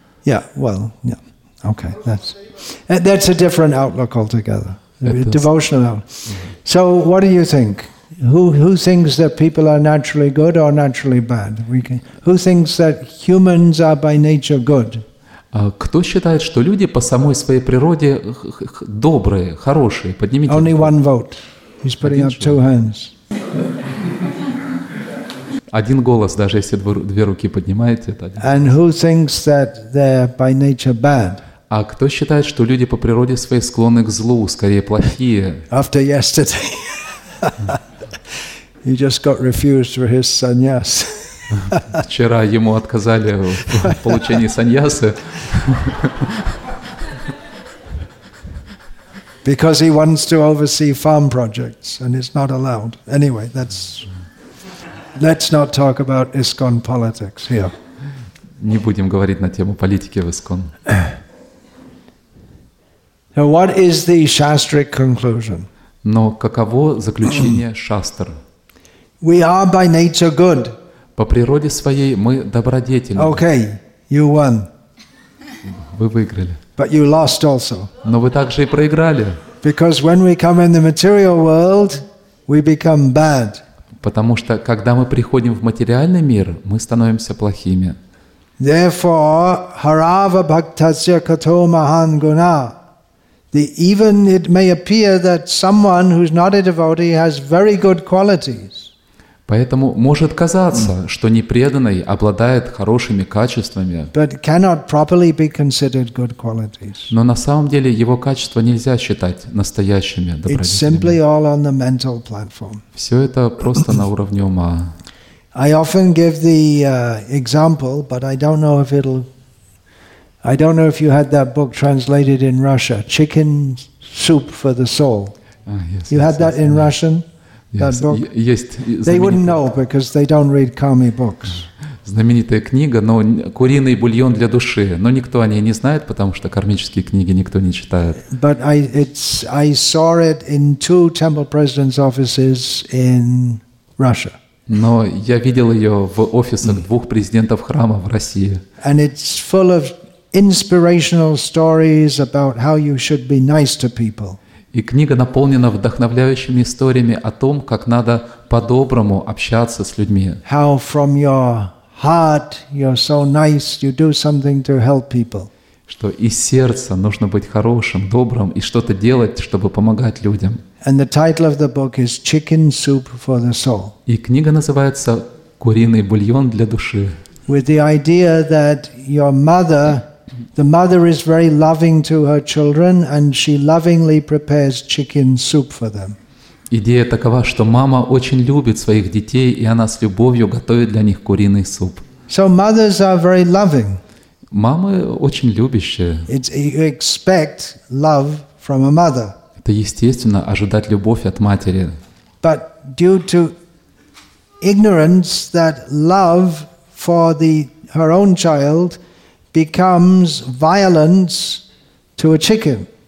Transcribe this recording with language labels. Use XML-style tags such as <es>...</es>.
<en>Yeah. Well. Yeah. Okay. That's a different outlook altogether. Devotional outlook. So, what do you think? Who thinks that people are naturally good or naturally bad? Who thinks that humans are by nature good?</en> <ru>Кто считает, что люди по самой своей природе добрые, хорошие? Поднимите.</ru> <en>Only one vote. He's putting up two hands.</en> <ru>Один голос, даже если две руки поднимаете, это один.</ru> <en>And who thinks that they're by nature bad?</en> <ru>А кто считает, что люди по природе своей склонны к злу, скорее плохие?</ru> <en>After yesterday, he just got refused for his sannyas.</en> <ru>Вчера ему отказали в получении саньясы.</ru> <en>Because he wants to oversee farm projects and it's not allowed. Anyway, let's not talk about ISKCON politics here.</en> <ru>Не будем говорить на тему политики в ISKCON.</ru> <en>So what is the Shastric conclusion?</en> <ru>Но каково заключение шастр?</ru> <en>We are by nature good.</en> <ru>По природе своей мы добродетельны.</ru> <en>Okay, you won.</en> <ru>Вы выиграли.</ru> <en>But you lost also.</en> <ru>Но вы также и проиграли.</ru> <en>Because when we come in the material world, we become bad.</en> <ru>Потому что когда мы приходим в материальный мир, мы становимся плохими.</ru> <en>Therefore,</en> <sa>harava bhaktasya kato mahan guna.</sa> <en>Even it may appear that someone who's not a devotee has very good qualities.</en> <ru>Поэтому может казаться, что непреданный обладает хорошими качествами.</ru> <en>But cannot properly be considered good qualities.</en> <ru>Но на самом деле его качества нельзя считать настоящими, добродетелями.</ru> <en>It's simply all on the mental platform.</en> <ru>Все это просто на уровне ума.</ru> <en>I often give the example, but I don't know if you had that book translated in Russia, Chicken Soup for the Soul. Yes, you had that in Russian? Yes. They wouldn't know because they don't read Kami books.</en> <ru>Знаменитая книга, но куриный бульон для души, но никто о ней не знает, потому что кармические книги никто не читает.</ru> <en>But I saw it in two temple presidents' offices in Russia.</en> <ru>Но я видел ее в офисах двух президентов храма в России.</ru> <en>And it's full of inspirational stories about how you should be nice to people.</en> <ru>И книга наполнена вдохновляющими историями о том, как надо по-доброму общаться с людьми.</ru> <en>How from your heart you're so nice, you do something to help people.</en> <ru>Что из сердца нужно быть хорошим, добрым и что-то делать, чтобы помогать людям.</ru> <en>And the title of the book is Chicken Soup for the Soul.</en> <ru>И книга называется «Куриный бульон для души».</ru> <en>With the idea that your mother The mother is very loving to her children, and she lovingly prepares chicken soup for them.</en> <ru>Идея такова, что мама очень любит своих детей, и она с любовью готовит для них куриный суп.</ru> <en>So mothers are very loving.</en> <ru>Мама очень любящая. Это естественно ожидать любовь от матери.</ru> <en>But due to ignorance that love for the her own child becomes violence to a chicken.</en>